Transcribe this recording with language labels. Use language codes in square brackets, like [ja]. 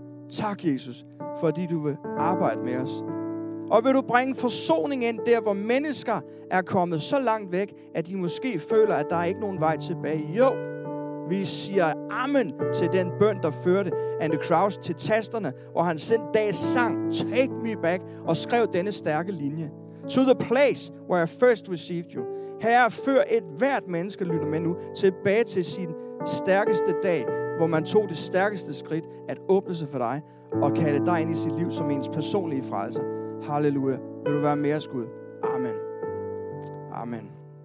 [da] Tak, Jesus, fordi du vil arbejde med os. Og vil du bringe forsoning ind der, hvor mennesker er kommet så langt væk, at de måske føler, at der er ikke nogen vej tilbage? Jo, vi siger amen til den bøn, der førte Andy Crouch til tasterne, hvor han sendte dagens sang, Take Me Back, og skrev denne stærke linje. [en] To the place where I first received you. [da] Herre, før et hvert menneske lytter med nu tilbage til sin stærkeste dag, hvor man tog det stærkeste skridt at åbne sig for dig og kalde dig ind i sit liv som ens personlige frelser. Halleluja. Vil du være med os, Gud? Amen. Amen.